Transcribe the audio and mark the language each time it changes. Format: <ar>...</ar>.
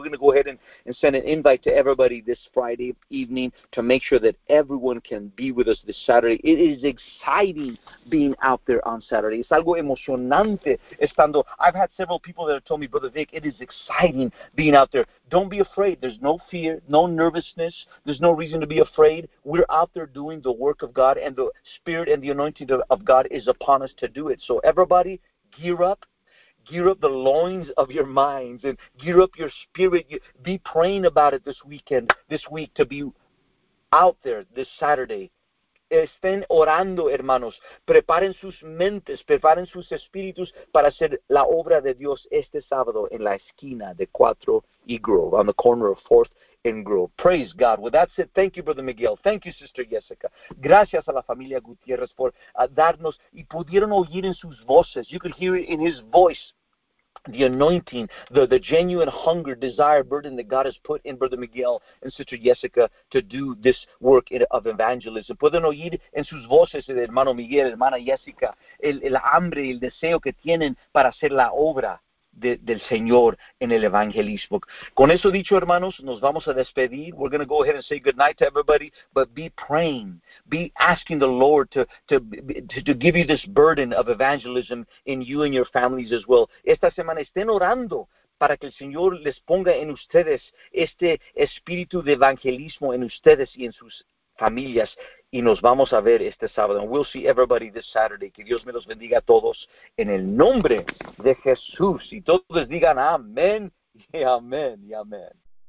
<en>We're going to go ahead and send an invite to everybody this Friday evening to make sure that everyone can be with us this Saturday. It is exciting being out there on Saturday.</en> <es>Es algo emocionante estando.</es> <en>I've had several people that have told me, Brother Vic, it is exciting being out there. Don't be afraid. There's no fear, no nervousness. There's no reason to be afraid. We're out there doing the work of God, and the Spirit and the anointing of God is upon us to do it. So everybody, gear up the loins of your minds and gear up your spirit. Be praying about it this weekend, this week, to be out there this Saturday.</en> <es>Estén orando, hermanos. Preparen sus mentes, preparen sus espíritus para hacer la obra de Dios este sábado en la esquina de 4 y Grove,</es> <en>on the corner of 4th and Grove. Praise God. Well, that's it. Thank you, Brother Miguel. Thank you, Sister Jessica.</en> <es>Gracias a la familia Gutierrez por darnos y pudieron oír en sus voces.</es> <en>You could hear it in his voice. The anointing, the genuine hunger, desire, burden that God has put in Brother Miguel and Sister Jessica to do this work of evangelism.</en> <es>Pueden oír en sus voces, el hermano Miguel, hermana Jessica, el hambre, el deseo que tienen para hacer la obra del Señor en el evangelismo. Con eso dicho, hermanos, nos vamos a despedir.</es> <en>We're going to go ahead and say goodnight to everybody, but be praying. Be asking the Lord to give you this burden of evangelism in you and your families as well.</en> <es>Esta semana estén orando para que el Señor les ponga en ustedes este espíritu de evangelismo en ustedes y en sus familias. Y nos vamos a ver este sábado.</es> <en>And we'll see everybody this Saturday.</en> <es>Que Dios me los bendiga a todos en el nombre de Jesús. Y todos digan amén y amén y amén.</es>